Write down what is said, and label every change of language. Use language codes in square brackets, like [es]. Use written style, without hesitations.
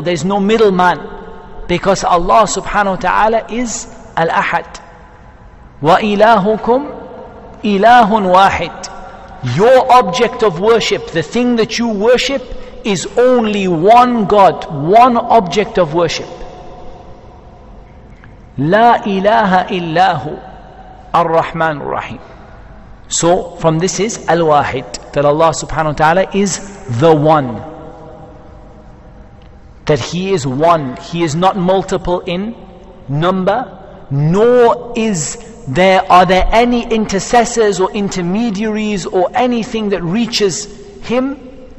[en] There is no middleman. Because Allah subhanahu wa ta'ala is Al-Ahad. [ar] وَإِلَاهُكُمْ إِلَاهٌ وَاحِدٌ. [en] Your object of worship, the thing that you worship, is only one God, one object of worship. [ar] لا إله إلا هو الرحمن الرحيم. [en] So from this is Al-Wahid, that Allah subhanahu wa ta'ala is the one. That He is one, He is not multiple in number, nor is there, are there any intercessors or intermediaries or anything that reaches Him.